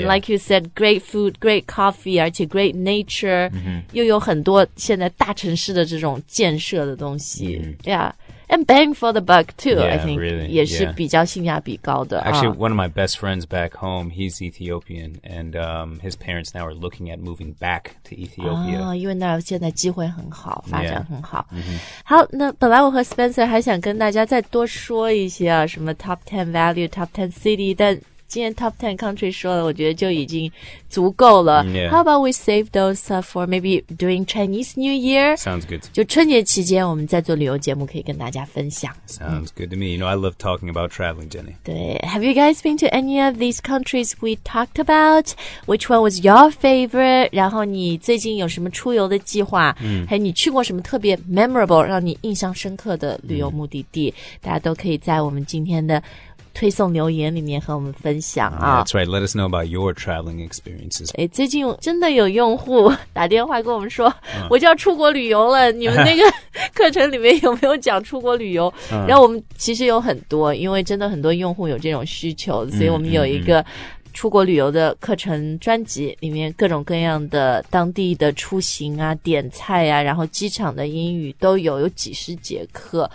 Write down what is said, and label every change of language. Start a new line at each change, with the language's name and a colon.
English: And like you said, great food, great coffee,
Chinese: 而且
English: great nature,、 mm-hmm.
Chinese: 又有很多现在大城市的这种建设的东西、 mm-hmm.
English: Yeah. And bang for the buck, too, yeah, I think. Really,
Chinese: 也是比较性价比高的。
English: Actually, one of my best friends back home, he's Ethiopian, and、his parents now are looking at moving back to Ethiopia.
Chinese: 哦、因为那儿现在机会很好发展很好。
English: Yeah.
Chinese: 好那本来我和 Spencer 还想跟大家再多说一些、啊、什么
English: top 10 value, top 10 city,
Chinese: 但今天 top 10 country 说了，我觉得就已经足够了。
English: Yeah. How about we save those for maybe doing Chinese New Year? Sounds good.
Chinese: 就春节期间我们在做旅游节目可以跟大家分享。
English: Sounds good to me. You know, I love talking about traveling, Jenny.
Chinese: 对。
English: Have you guys been to any of these countries we talked about? Which one was your favorite?
Chinese: 然后你最近有什么出游的计划、嗯、还有你去过什么特别 memorable, 让你印象深刻的旅游目的地、嗯、大家都可以在我们今天的推送留言里面和我们分享啊。
English: That's right, let us know about your traveling experiences.
Chinese: 哎，最近真的有用户打电话跟我们说、我就要出国旅游了，你们那个课程里面有没有讲出国旅游、然后我们其实有很多，因为真的很多用户有这种需求，所以我们有一个出国旅游的课程专辑，里面各种各样的当地的出行啊、点菜啊，然后机场的英语都有，有几十节课。